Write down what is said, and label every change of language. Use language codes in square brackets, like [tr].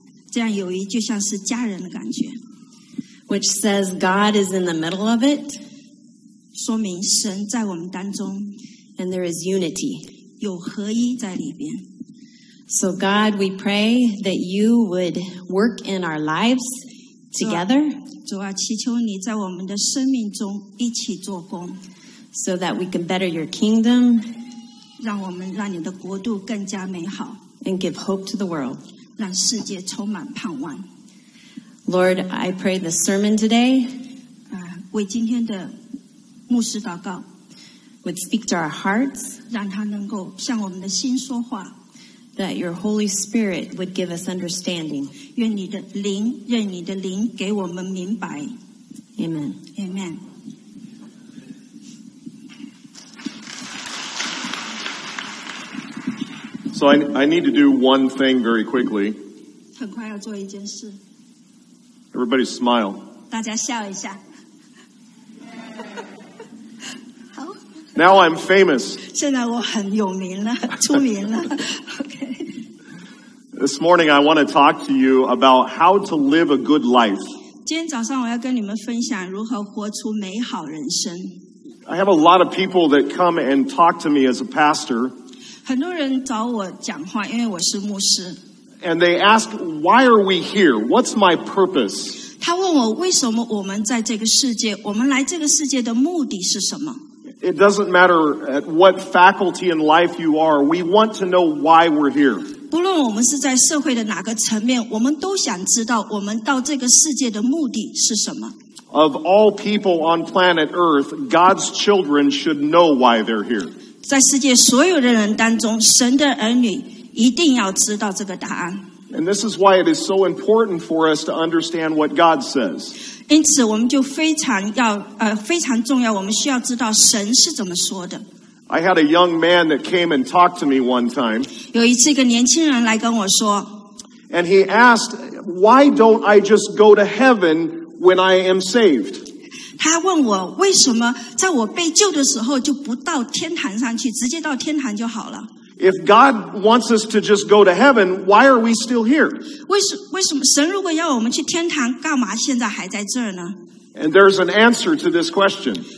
[zh] 这样友谊就像是家人的感觉。 [en] Which says God is in the middle of it. [zh] 说明神在我们当中。 [en] And there is unity. [zh] 有合一在里边。 [en] So God, we pray that you would work in our lives together. [zh] 主啊，祈求你在我们的生命中一起做工。 [en] So that we can better your kingdom, [zh] 让我们让你的国度更加美好 [en] and give hope to the world, [zh] 让世界充满盼望 [en] Lord, I pray the sermon today, [zh] 为今天的牧师祷告 [en] would speak to our hearts, [zh] 让他能够向我们的心说话 [en] that your Holy Spirit would give us understanding, [zh] 愿你的灵，愿你的灵给我们明白 [en] Amen. Amen. So I need to do one thing very quickly. [zh] 很快要做一件事。 [en] Everybody smile. [zh] 大家笑一下。好。 [en] Now I'm famous. [zh] 现在我很有名了，出名了。 [en] Okay. This morning I want to talk to you about how to live a good life. [zh] 今天早上我要跟你们分享如何活出美好人生。 [en] I have a lot of people that come and talk to me as a pastor. [zh] 很多人找我讲话，因为我是牧师。 [en] And they ask, why are we here? What's my purpose? [zh] 他问我为什么我们在这个世界，我们来这个世界的目的是什么？ [en] It doesn't matter at what faculty in life you are. We want to know why we're here. [zh] 不论我们是在社会的哪个层面，我们都想知道我们到这个世界的目的是什么。 [en] Of all people on planet Earth, God's children should know why they're here. [zh] 在世界所有的人当中，神的儿女一定要知道这个答案。 [en] And this is why it is so important for us to understand what God says. [zh] 因此，我们就非常重要，我们需要知道神是怎么说的。 [en] I had a young man that came and talked to me one time. [zh] 有一次，一个年轻人来跟我说。 [en] And he asked, "Why don't I just go to heaven when I am saved?" [zh] 他问我为什么。在我被救的时候就不到天堂上去直接到天堂就好了 [en] If God wants us to just go to heaven why are we still here? [zh] 为什么神如果要我们去天堂干嘛现在还在这儿呢 [en] And there's an answer to this question